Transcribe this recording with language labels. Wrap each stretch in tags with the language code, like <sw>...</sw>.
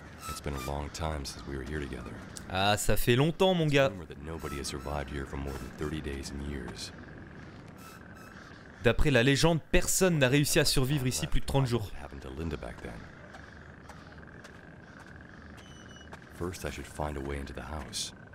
<en>It's been a long time since we were here together.</en> <fr>Ah, ça fait longtemps, mon gars.</fr> <en>It's a rumor that nobody has survived here for more than 30 days and years.</en> <fr>D'après la légende, personne n'a réussi à survivre ici plus de 30 jours.</fr> <en>What happened to Linda back then? First, I should find a way into the house.</en>